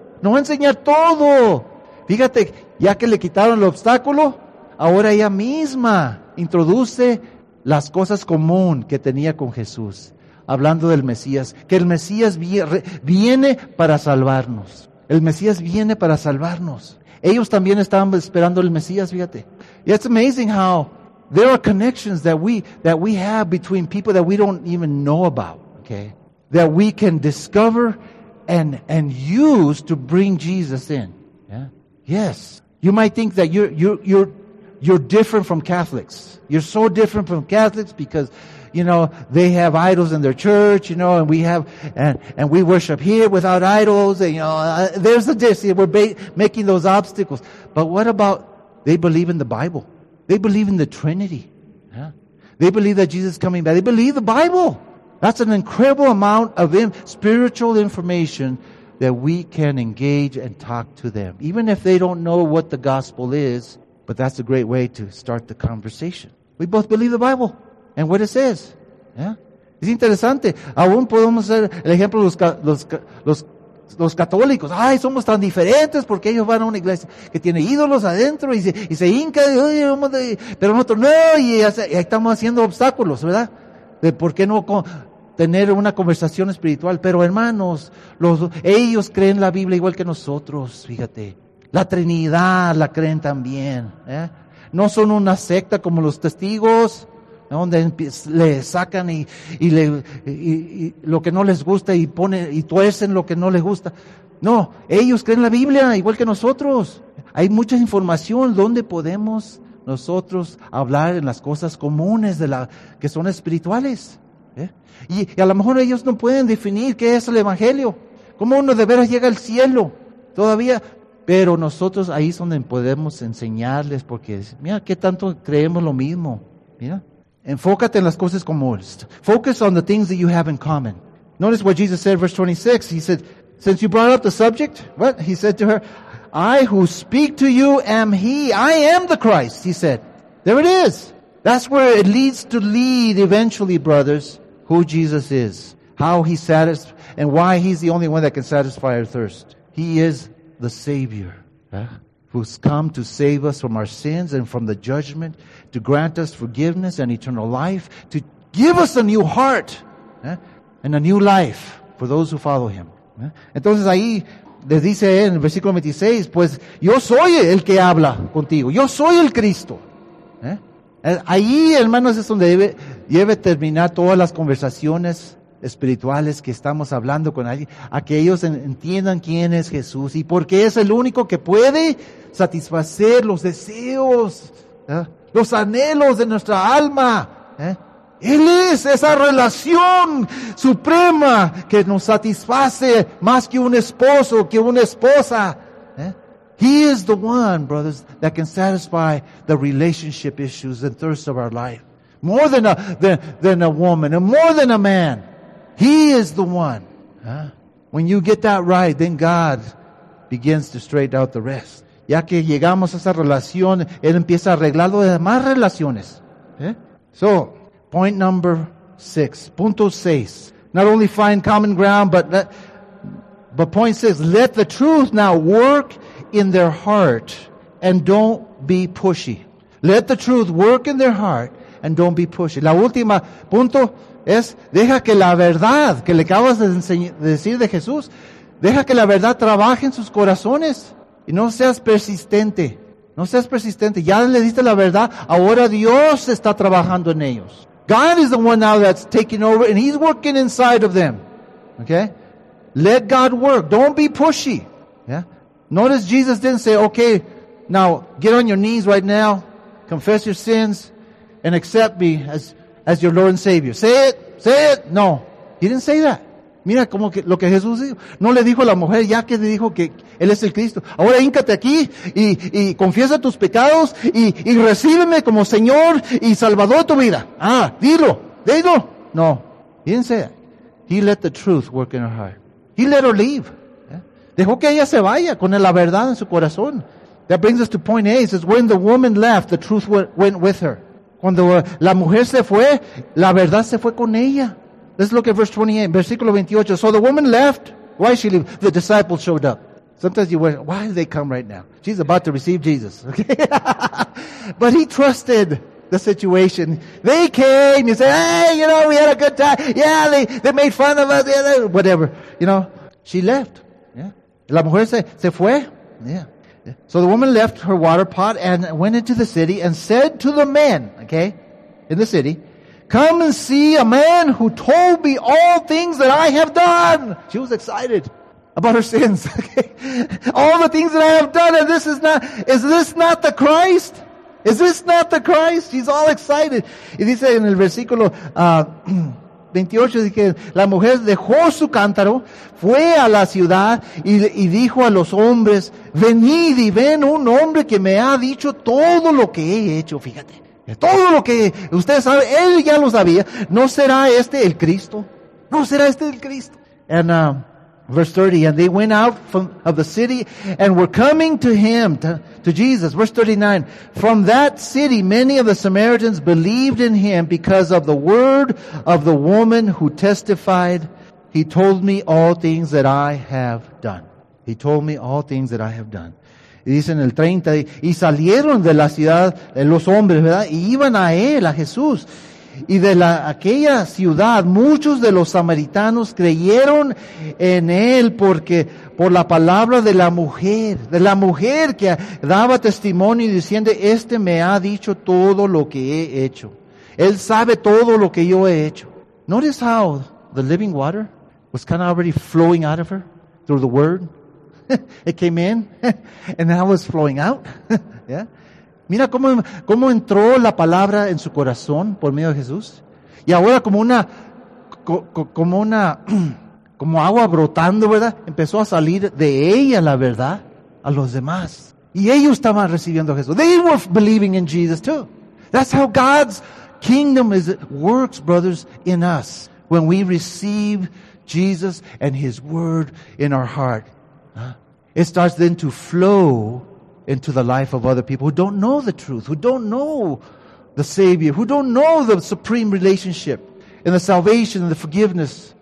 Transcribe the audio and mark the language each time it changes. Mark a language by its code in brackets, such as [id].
[es] Nos va a enseñar todo. Fíjate, ya que le quitaron el obstáculo, ahora ella misma introduce las cosas común que tenía con Jesús. Hablando del Mesías, que el Mesías viene para salvarnos. El Mesías viene para salvarnos. Ellos también estaban esperando el Mesías, fíjate. [en] It's amazing how there are connections that we have between people that we don't even know about, okay? That we can discover and use to bring Jesus in. Yeah. Yes. You might think that you're different from Catholics. You're so different from Catholics because you know, they have idols in their church, you know, and we have, and we worship here without idols, and you know, there's the difference. We're making those obstacles. But what about, they believe in the Bible. They believe in the Trinity. Yeah. They believe that Jesus is coming back. They believe the Bible. That's an incredible amount of spiritual information that we can engage and talk to them. Even if they don't know what the gospel is, but that's a great way to start the conversation. We both believe the Bible and what it says. [es] Yeah? Es interesante. Aún podemos ser el ejemplo de los católicos. Ay, somos tan diferentes porque ellos van a una iglesia que tiene ídolos adentro y se hinca. Pero nosotros no, y estamos haciendo obstáculos, ¿verdad? De por qué no tener una conversación espiritual. Pero hermanos, ellos creen la Biblia igual que nosotros, fíjate. La Trinidad la creen también. ¿Eh? No son una secta como los testigos, donde le sacan y lo que no les gusta y tuercen lo que no les gusta. No, ellos creen la Biblia igual que nosotros. Hay mucha información donde podemos nosotros hablar en las cosas comunes que son espirituales. ¿Eh? Y a lo mejor ellos no pueden definir qué es el Evangelio, cómo uno de veras llega al cielo todavía. Pero nosotros ahí es donde podemos enseñarles, porque mira qué tanto creemos lo mismo. Mira. Enfócate en las cosas comunes. [en] Focus on the things that you have in common. Notice what Jesus said, verse 26. He said, since you brought up the subject, what? He said to her, I who speak to you am he. I am the Christ, he said. There it is. That's where it leads to lead eventually, brothers, who Jesus is. How he satisfies, and why he's the only one that can satisfy our thirst. He is the Savior. Huh? Who's come to save us from our sins and from the judgment, to grant us forgiveness and eternal life, to give us a new heart, ¿eh? And a new life for those who follow Him. ¿Eh? [es] Entonces ahí les dice en el versículo 26, pues yo soy el que habla contigo, yo soy el Cristo. ¿Eh? Ahí, hermanos, es donde debe terminar todas las conversaciones espirituales que estamos hablando con alguien, a que ellos entiendan quién es Jesús y porque es el único que puede satisfacer los deseos, ¿eh? Los anhelos de nuestra alma. ¿Eh? Él es esa relación suprema que nos satisface más que un esposo, que una esposa. ¿Eh? [en] He is the one, brothers, that can satisfy the relationship issues and thirst of our life. More than a woman and more than a man. He is the one. Huh? When you get that right, then God begins to straighten out the rest. [es] Ya que llegamos a esa relación, Él empieza a arreglar las demás relaciones. [en] ¿Eh? So, point number six. [es] Punto seis. [en] Not only find common ground, but point six. Let the truth now work in their heart and don't be pushy. Let the truth work in their heart and don't be pushy. [es] La última punto es, deja que la verdad que le acabas de decir de Jesús, deja que la verdad trabaje en sus corazones. Y no seas persistente, no seas persistente. Ya le diste la verdad, ahora Dios está trabajando en ellos. [en] God is the one now that's taking over and He's working inside of them. Okay? Let God work. Don't be pushy. Yeah? Notice Jesus didn't say, okay, now get on your knees right now, confess your sins, and accept me as your Lord and Savior. Say it. No. He didn't say that. [es] Mira como que lo que Jesús dijo. No le dijo a la mujer, ya que le dijo que Él es el Cristo. Ahora híncate aquí y confiesa tus pecados y recíbeme como Señor y Salvador de tu vida. Ah, dilo. [en] No. He didn't say that. He let the truth work in her heart. He let her leave. [es] Dejó que ella se vaya con la verdad en su corazón. [en] That brings us to point A. It says, when the woman left, the truth went with her. [es] Cuando la mujer se fue, la verdad se fue con ella. [en] Let's look at verse 28, [es] versículo 28. [en] So the woman left. Why did she leave? The disciples showed up. Sometimes you wonder, why did they come right now? She's about to receive Jesus. Okay? But he trusted the situation. They came. You say, hey, you know, we had a good time. Yeah, they made fun of us. Yeah, whatever. You know, she left. Yeah. [es] La mujer se fue. Yeah. [en] So the woman left her water pot and went into the city and said to the men, okay, in the city, come and see a man who told me all things that I have done. She was excited about her sins, okay? All the things that I have done, and is this not the Christ? Is this not the Christ? She's all excited. [es] Y dice en el versículo 28, dice que la mujer dejó su cántaro, fue a la ciudad y dijo a los hombres, venid y ven un hombre que me ha dicho todo lo que he hecho, fíjate. Todo lo que ustedes saben, él ya lo sabía. ¿No será este el Cristo? ¿No será este el Cristo? [en] And verse 30, and they went out from of the city and were coming to him, to Jesus. Verse 39, from that city many of the Samaritans believed in him because of the word of the woman who testified, he told me all things that I have done. He told me all things that I have done. [es] Y dice en el 30, y salieron de la ciudad los hombres, ¿verdad? Y iban a él, a Jesús. Y de aquella ciudad, muchos de los samaritanos creyeron en él porque por la palabra de la mujer que daba testimonio diciendo, este me ha dicho todo lo que he hecho. Él sabe todo lo que yo he hecho. [en] Notice how the living water was kind of already flowing out of her through the word. It came in, and now it's flowing out. Yeah. [es] Mira cómo entró la palabra en su corazón por medio de Jesús. Y ahora como agua brotando, ¿verdad? Empezó a salir de ella la verdad a los demás. Y ellos estaban recibiendo a Jesús. [en] They were believing in Jesus too. That's how God's kingdom is, works, brothers, in us. When we receive Jesus and His word in our heart. It starts then to flow into the life of other people who don't know the truth, who don't know the Savior, who don't know the supreme relationship and the salvation and the forgiveness.